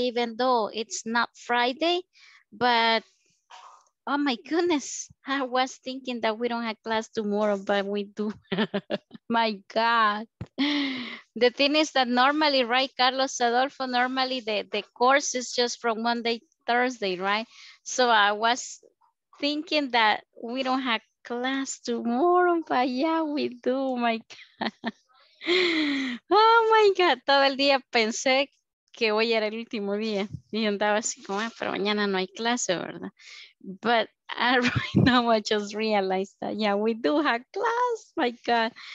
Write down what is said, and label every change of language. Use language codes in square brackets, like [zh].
[en] Even though it's not Friday, but oh my goodness, I was thinking that we don't have class tomorrow, but we do. My God. The thing is that normally, right, Carlos Adolfo, normally the course is just from Monday, Thursday, right? So I was thinking that we don't have class tomorrow, but yeah, we do. My God. Oh my God, [es] todo el día pensé que hoy era el último día y andaba así como, pero mañana no hay clase, ¿verdad? [en] But right now I just realized that, yeah, we do have class, my God.